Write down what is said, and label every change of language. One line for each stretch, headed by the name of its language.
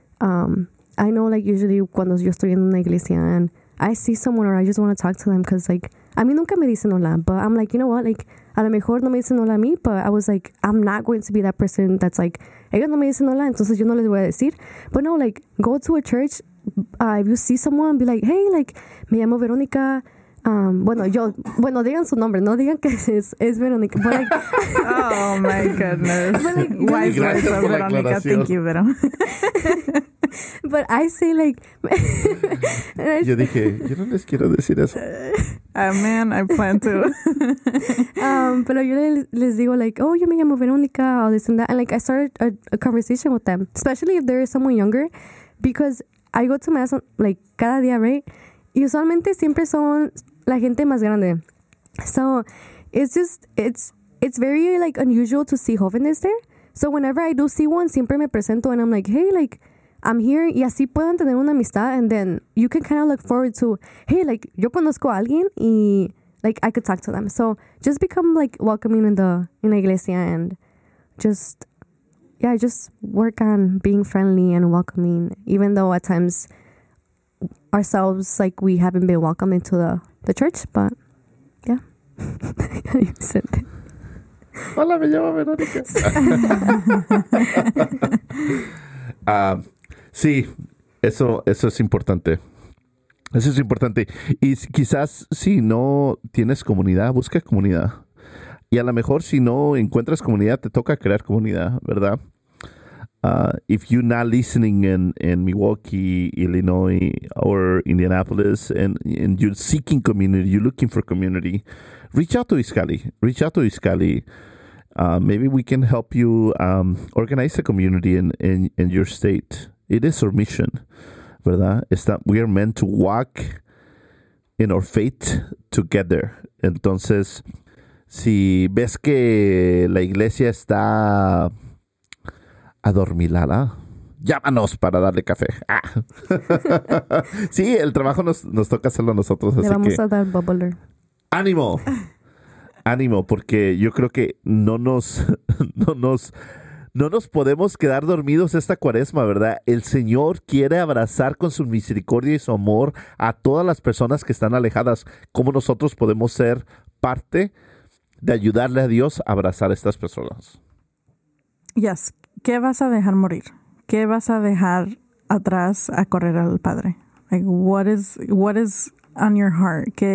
English: I know, like, usually
Spanish: cuando yo estoy en una iglesia
English: and I see someone or I just want to talk to them, because, like,
Spanish: a mí nunca me dicen hola,
English: but I'm like, you know what, like,
Spanish: a lo mejor no me dicen hola a mí,
English: but I was like, I'm not going to be that person that's like,
Spanish: ellos no me dicen hola, entonces yo no les voy a decir.
English: But no, like, go to a church, if you see someone, be like, hey, like,
Spanish: me llamo Verónica. Digan su nombre, no digan que es Verónica.
English: But like, oh my goodness. But like, why is that so, Verónica? Thank you, Verón. But I say, like,
Spanish: yo dije, yo no les quiero decir eso.
English: Amen, I plan to.
Spanish: pero yo les digo,
English: like, oh,
Spanish: yo me llamo Verónica,
English: all this and that. And like, I started a conversation with them, especially if there is someone younger, because I go to mass, like,
Spanish: cada día,
English: right?
Spanish: Y usualmente siempre son la gente más grande.
English: So, it's very, like, unusual to see jóvenes there. So, whenever I do see one,
Spanish: siempre me presento
English: and I'm like, hey, like, I'm here.
Spanish: Y así puedan tener una amistad.
English: And then you can kind of look forward to, hey, like,
Spanish: yo conozco a alguien y,
English: like, I could talk to them. So, just become, like, welcoming in
Spanish: la iglesia
English: and just work on being friendly and welcoming, even though at times ourselves, like, we haven't been welcomed into the church, but yeah. You said
Spanish: that. Hola, me llamo Verónica. sí, eso es importante. Eso es importante. Y quizás si no tienes comunidad, busca comunidad. Y a lo mejor si no encuentras comunidad, te toca crear comunidad, ¿verdad?
English: If you're not listening in Milwaukee, Illinois, or Indianapolis, and you're seeking community, you're looking for community, reach out to Izcalli. Reach out to Izcalli. Maybe we can help you organize a community in your state. It is our mission, ¿verdad? It's that we are meant to walk in our faith together.
Spanish: Entonces, si ves que la iglesia está adormilada, llámanos para darle café. Ah. Sí, el trabajo nos toca hacerlo a nosotros. Le así vamos que, a dar bubbler. ¡Ánimo! Ánimo, porque yo creo que no nos podemos quedar dormidos esta cuaresma, ¿verdad? El Señor quiere abrazar con su misericordia y su amor a todas las personas que están alejadas. ¿Cómo nosotros podemos ser parte de ayudarle a Dios a abrazar a estas personas? Yes. ¿Qué vas a dejar morir? ¿Qué vas a dejar atrás a correr al Padre?
English: Like, what is on your heart?